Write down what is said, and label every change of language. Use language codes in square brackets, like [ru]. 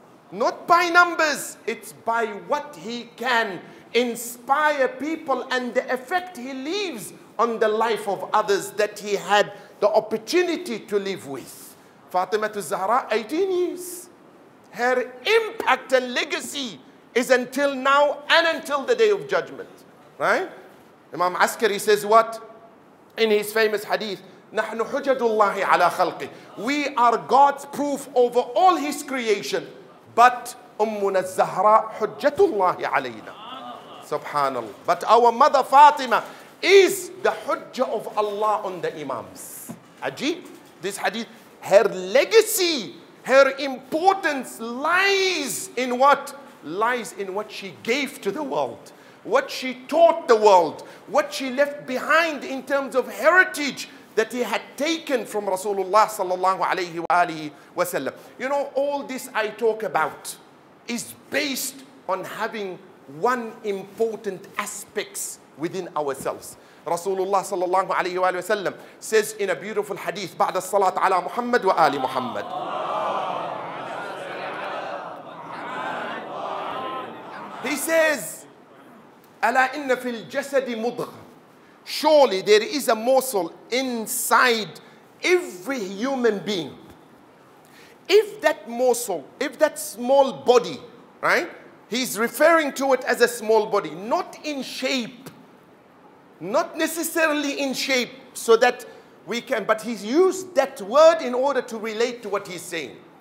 [en] Not by numbers. It's by what he can inspire people and the effect he leaves on the life of others that he had the opportunity to live with. Fatima al-Zahra, 18 years. Her impact and legacy is until now and until the day of judgment. Right? Imam Askari says what? In his famous hadith, [ar] نَحْنُ حُجَدُ اللَّهِ عَلَىٰ خَلْقِهِ. [en] We are God's proof over all his creation, but [ar] أُمُّنَا الزَّهْرَىٰ حُجَّةُ اللَّهِ عَلَيْنَا. [en] Subhanallah. But our mother Fatima is the hujjah of Allah on the imams. Ajib, this hadith, her legacy, her importance lies in what? Lies in what she gave to the world, what she taught the world, what she left behind in terms of heritage that he had taken from Rasulullah sallallahu alayhi wa alihi wa sallam. You know, all this I talk about is based on having one important aspect within ourselves. Rasulullah sallallahu alayhi wa sallam says in a beautiful hadith, [ar] بعد الصلاة على محمد وآل محمد. [en] He says, [ar] ألا إن في الجسد مضغ. [en] Surely there is a morsel inside every human being. If that morsel, if that small body, right? He's referring to it as a small body, not in shape, not necessarily in shape so that we can, but he's used that word in order to relate to what he's saying.